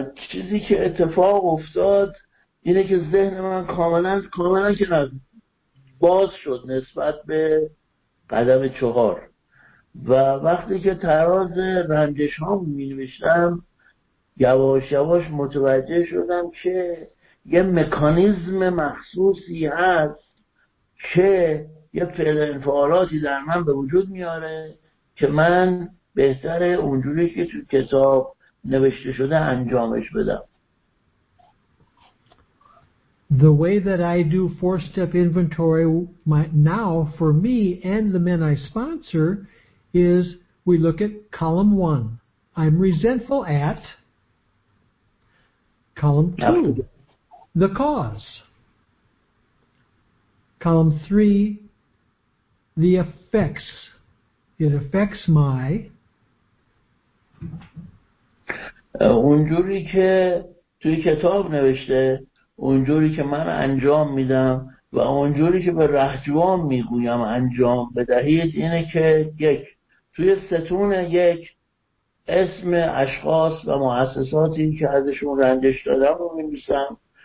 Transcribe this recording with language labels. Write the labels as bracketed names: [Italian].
[Persian] چیزی که اتفاق افتاد اینه که ذهن من کاملا که باز شد نسبت به قدم چهار و وقتی که تراز رنجش ها می‌نوشتم یواش یواش متوجه شدم که یه مکانیزم مخصوصی هست که یه فعل انفعالاتی در من به وجود میاره که من بهتره اونجوری که تو کتاب نوشته شده انجامش بدم. [English] The way that I do four-step inventory now for me and the men I sponsor is we look at column one. I'm resentful at column two, the cause. Column three, the effects. It affects my. [Persian] اونجوری که توی کتاب نوشته، اونجوری که من انجام میدم و اونجوری که به رهجوان میگویم انجام بدهید اینه که یک، توی ستون یک اسم اشخاص و مؤسساتی که ازشون رنجش دادم رو می‌نویسم.